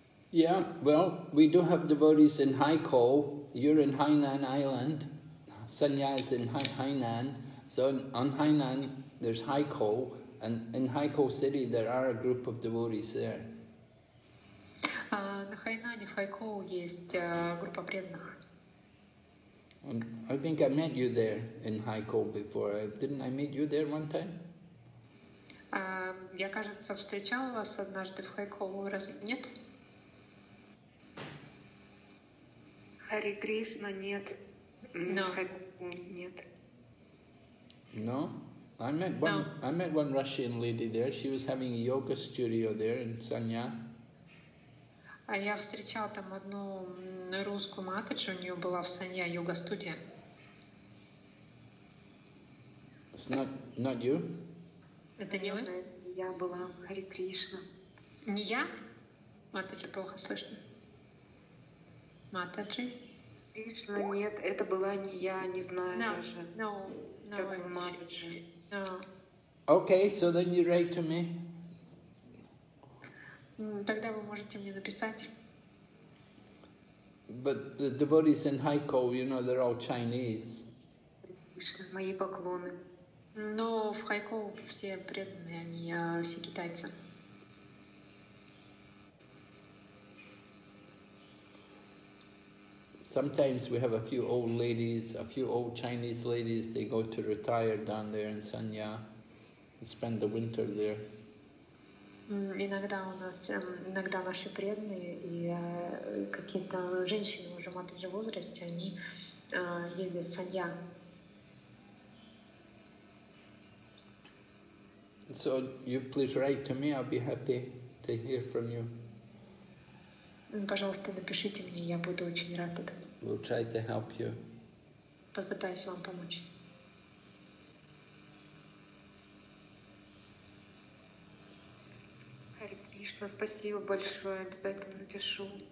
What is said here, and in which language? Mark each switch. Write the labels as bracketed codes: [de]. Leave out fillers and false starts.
[en] Yeah, well, we do have devotees in Haikou. You're in Hainan Island. Sanya is in Hainan. So on Hainan, there's Haikou. And in Haikou City, there are a group of devotees there. [ru] На Хайнане, в Хайкоу, есть группа преданных. [en] I think I met you there in Haikou before. Didn't I meet you there one time? [ru] Я, кажется, встречала вас однажды в Хайкоу. Разве нет? Хари Кришна, нет. [en] No. [ru] Нет. [en] No? I met one Russian lady there. She was having a yoga studio there in Sanya. [ru] А я встречала там одну русскую матриджу, у нее была в Санья йога-студия. [en] It's not you? [ru] Это не вы? Не я была, Хари Кришна. Не я? Матриджа, плохо слышно. Матриджи? Кришна, нет, это была не я, не знаю даже. [en] No. [ru] Как вы матриджи? [en] No. Okay, so then you write to me. [ru] Тогда вы можете мне написать. [en] But the devotees in Haikou, you know, they're all Chinese. [ru] Мои поклоны. Но в Хайкоу все преданные, они все китайцы. [en] Sometimes we have a few old ladies, a few old Chinese ladies, they go to retire down there in Sanya and spend the winter there. [ru] Иногда у нас, иногда наши преданные и какие-то женщины уже матриджа возрасте, они ездят в Санья. [en] So you please write to me, I'll be happy to hear from you. [ru] Пожалуйста, напишите мне, я буду очень рад этому. [en] We'll try to help you. [ru] Попытаюсь вам помочь. Спасибо большое, обязательно напишу.